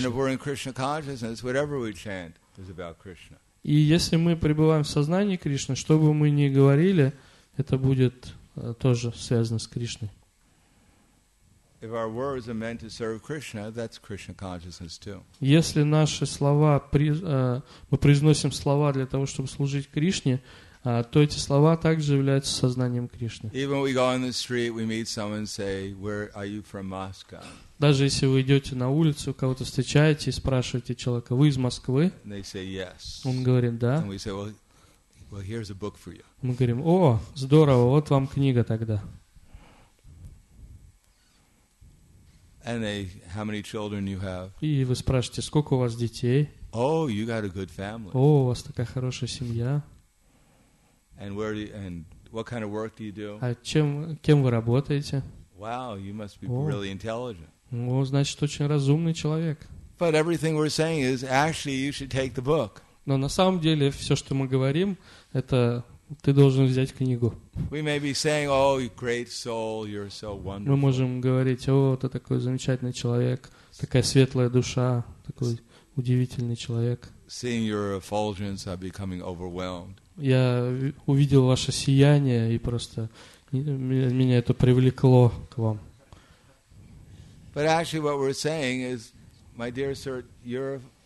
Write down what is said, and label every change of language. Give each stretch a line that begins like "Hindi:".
English: And if we're in Krishna consciousness, whatever we chant is about Krishna.
Russian: И если мы пребываем в сознании Кришны, что бы мы ни говорили, это будет тоже связано с Кришной.
English: If our words are meant to serve Krishna, that's Krishna consciousness too.
Russian: Если наши слова мы произносим слова для того, чтобы служить Кришне, то эти слова также являются сознанием Кришны.
English: Even we go on the street, we meet someone, say, "Where are you from, Moscow?"
Russian: Даже если вы идете на улицу, кого-то встречаете и спрашиваете человека, вы из Москвы?
English: And they say yes.
Russian: Он говорит да.
English: And we say, "Well, here's a book for you."
Russian: Мы говорим, о, здорово, вот вам книга тогда.
English: And they, how many children you have?
Russian: И вы спрашиваете, сколько у вас детей?
English: Oh, you got a good family.
Russian: О, у вас такая хорошая семья.
English: And what kind of work do you do?
Russian: А чем, кем вы работаете?
English: Wow, you must be really intelligent.
Russian: О, значит, очень разумный человек.
English: But everything we're saying is actually you should take the book.
Russian: Но на самом деле все, что мы говорим, это ты должен взять книгу.
English: We may be saying, "Oh, you great soul, you're so wonderful."
Russian: Мы можем говорить, о, ты такой замечательный человек, такая светлая душа, такой удивительный человек.
English: Seeing your effulgence, I'm becoming overwhelmed.
Russian: Я увидел ваше сияние и просто меня это привлекло к вам.
English: But actually, what we're saying is, my dear sir, you're